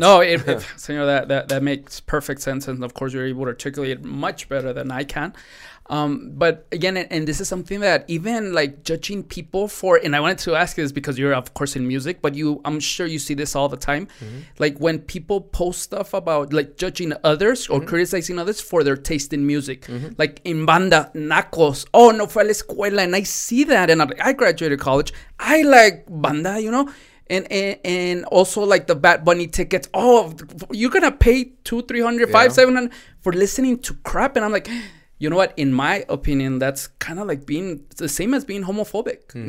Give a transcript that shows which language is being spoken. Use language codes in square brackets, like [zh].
[en] No, that makes perfect sense, and of course you're able to articulate much better than I can. But again, and this is something that even like judging people for, and I wanted to ask you this because you're of course in music, but I'm sure you see this all the time. Mm-hmm. Like when people post stuff about like judging others or mm-hmm. criticizing others for their taste in music, mm-hmm. like in banda, [es] nacos, oh, no fue a la escuela. [en] And I see that and I'm like, I graduated college. I like banda, you know? And also like the Bad Bunny tickets. Oh, you're going to pay $200, $300, $500, $700 for listening to crap. And I'm like, you know what? In my opinion, that's kind of like being the same as being homophobic, mm-hmm.